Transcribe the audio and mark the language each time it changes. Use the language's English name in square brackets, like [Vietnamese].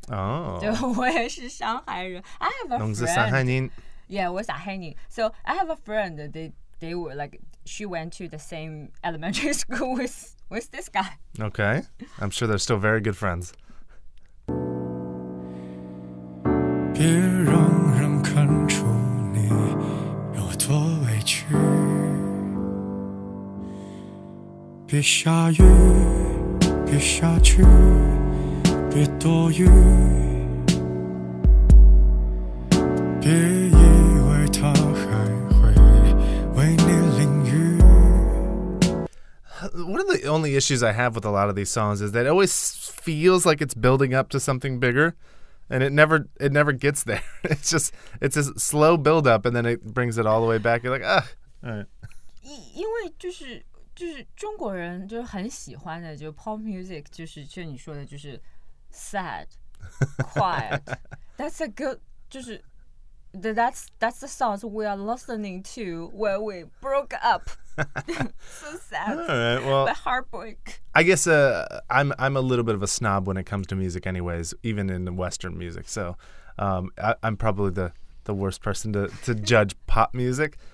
[English] Oh. [Chinese] 对, 我也是上海人. [English] I have a friend. [Chinese] 你是上海人. [English] Yeah, [Chinese] 我是上海人. [English] So I have a friend. They were like... She went to the same elementary school with this guy. Okay. I'm sure they're still very good friends. [Chinese] 别让人看出你有多委屈。别下雨，别下去，别多余。别以为他还会为你淋雨。 [English] One of the only issues I have with a lot of these songs is that it always feels like it's building up to something bigger, and it never gets there. It's a slow build up, and then it brings it all the way back. You're like, ah. All right. [Chinese] 因为就是中国人就是很喜欢的就 pop music 就是就你说的就是 [English] sad, quiet. That's a good 就是 that's the songs we are listening to when we broke up. So sad. All right, well, the heartbreak. I guess I'm a little bit of a snob when it comes to music anyways, even in Western music. So I'm probably the worst person to judge pop music.